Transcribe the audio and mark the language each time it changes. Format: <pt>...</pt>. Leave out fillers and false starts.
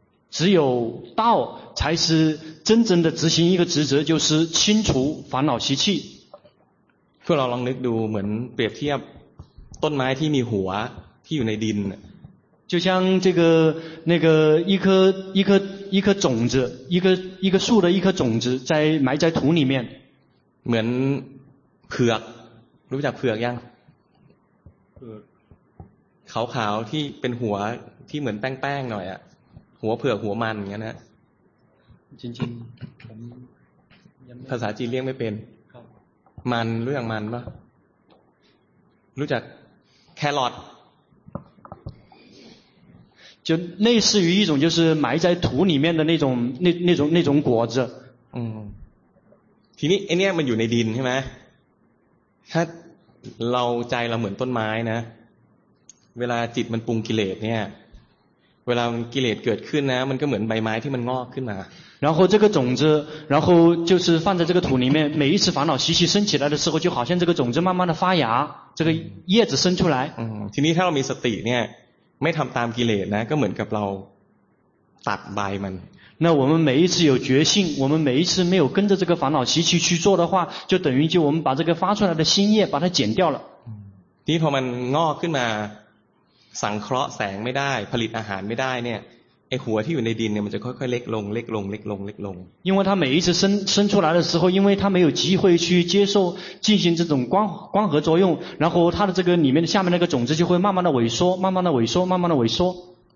<zh>只有道才是真正的执行一个职责，就是清除烦恼习气。</zh> <th>พวกเราลองนึกดูเหมือนเปรียบเทียบต้นไม้ที่มีหัวที่อยู่ในดิน</th> <zh>就像这个那个一颗种子一个树的一颗种子在埋在土里面</zh> <th>เหมือนเผือกรู้จักเผือกยังขาวๆที่เป็นหัวที่เหมือนแป้งๆหน่อยอ่ะหัวเผือกหัวมันอย่างนั้น ฮะจริงๆผม ภาษาจีนเรียกไม่เป็นมันรู้จักมันปะรู้จักแครอท</th> <zh>就类似于一种就是埋在土里面的那种果子</zh> <th>ทีนี้ไอเนี้ยมันอยู่ในดินใช่ไหมถ้าเราใจเราเหมือนต้นไม้นะเวลาจิตมันปรุงกิเลสเนี่ยเวลากิเลสเกิดขึ้นนะมันก็เหมือนใบไม้ที่มันงอกขึ้นมา</th> <zh>然后这个种子，然后就是放在这个土里面。每一次烦恼习气升起来的时候，就好像这个种子慢慢的发芽，这个叶子伸出来。</zh> <th>ทีนี้ถ้าเรามีสติเนี่ยไม่ทำตามกิเลสนะก็เหมือนกับเราตัดใบมัน。</th> <zh>那我们每一次有决心，我们每一次没有跟着这个烦恼习气去做的话，就等于就我们把这个发出来的新叶把它剪掉了。</zh> <th>ทีนี้พอมันงอกขึ้นมาสังเคราะห์แสงไม่ได้ผลิตอาหารไม่ได้เนี่ยไอ้หัวที่อยู่ในดินเนี่ยมันจะค่อยๆเล็กลงเล็กลงเล็กลงเล็กลง</th> <zh>因为它每一次生出来的时候因为它没有机会去接受进行这种光合作用然后它的这个里面下面那个种子就会慢慢的萎缩慢慢的萎缩慢慢的萎缩</zh>